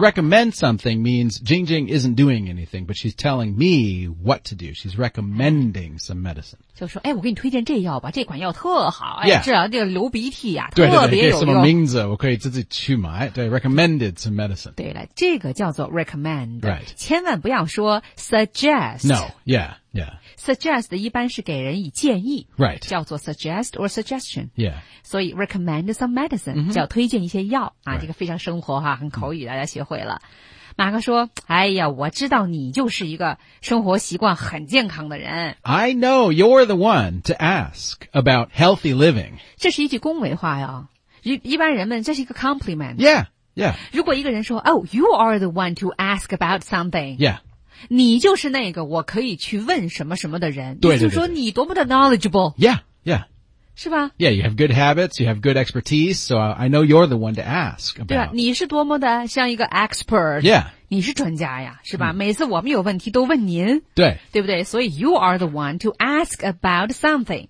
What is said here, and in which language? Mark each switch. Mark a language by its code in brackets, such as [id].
[en] Recommend something means Jing Jing isn't doing anything, but she's telling me what to do. She's recommending some medicine. [zh] 就说哎我给你推荐这药吧这款药特好。 [en] Yeah. [zh] 哎这样这个流鼻涕啊对对对特别有用。给什么名字我可以自己去买。 [en] 对 recommended some medicine. [zh] 对了这个叫做 recommend.、 [en] Right. [zh] 千万不要说Suggest. [en] No, yeah, yeah. [zh] Suggest 一般是给人以建议。 [en] Right. [zh] 叫做 [en] suggest or suggestion. Yeah. [zh] 所以 [en] recommend some medicine,、 mm-hmm. [zh] 叫推荐一些药。啊 [en] right. [zh] 这个非常生活哈很口语大家学会了。马克说哎呀我知道你就是一个生活习惯很健康的人。 [en] I know you're the one to ask about healthy living. [zh] 这是一句恭维话呀。一般人们这是一个 compliment. [en] Yeah, yeah. [zh] 如果一个人说 [en] oh, you are the one to ask about something. Yeah. [zh] 你就是那个我可以去问什么什么的人对对对对就是说你多么的 knowledgeable [en] Yeah, yeah [zh] 是吧 [en] Yeah, you have good habits, you have good expertise So I know you're the one to ask about [zh] 对啊你是多么的像一个 expert [en] Yeah [zh] 你是专家呀是吧、每次我们有问题都问您对对不对所以 [en] you are the one to ask about something